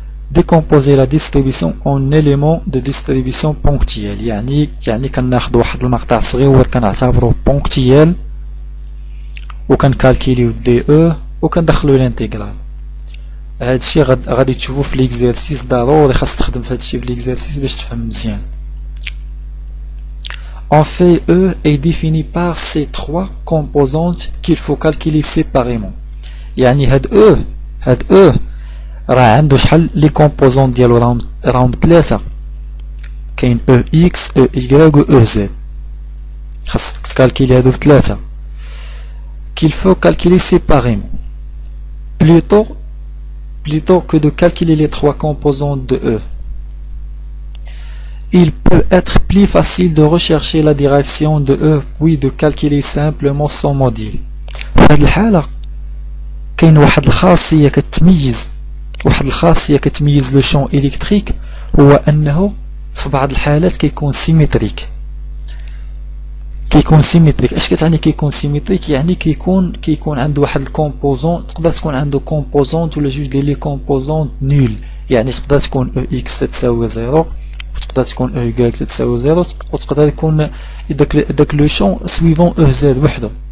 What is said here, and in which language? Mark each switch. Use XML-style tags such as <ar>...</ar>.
<ar>ديكومبوزي لا ديستريبيسيون اون اليمون دو ديستريبيسيون بونكتييل، يعني كناخذ واحد المقطع صغير كنعتبرو بونكتييل وكنكالكيليو دي او وكندخلو الانتيغرال. هادشي غادي تشوفو في ليكزيرسيس، ضروري خاص تخدم في هادشي في ليكزيرسيس باش تفهم مزيان.</ar> <fr>En fait, E est défini par ces trois composantes qu'il faut calculer séparément.</fr> <ar>يعني هاد E راه عنده شحال لي كومبوزون ديالو، راهم 3، كاين EX EY EZ، خاصك تكالكيلي هادو بثلاثة.</ar> <fr>qu'il faut calculer séparément plutôt que de calculer les trois composantes de E. Il peut être plus facile de rechercher la direction de E puis de calculer simplement son module.</fr> <ar>هاد الحالة كاين واحد الخاصية كتميز، واحد الخاصية كتميز لو شون إلكتريك، هو أنه في بعض الحالات كيكون سيمتريك. كيكون سيمتريك اش كتعني كيكون سيمتريك؟ يعني كيكون عنده واحد الكومبوزون، تقدر تكون عنده كومبوزون ولا جوج ديال لي كومبوزون نول، يعني تقدر تكون او اكس تساوي زيرو، تقدر تكون او اكس تساوي زيرو، وتقدر يكون داك لو شون سويفون او زاد وحده.</ar>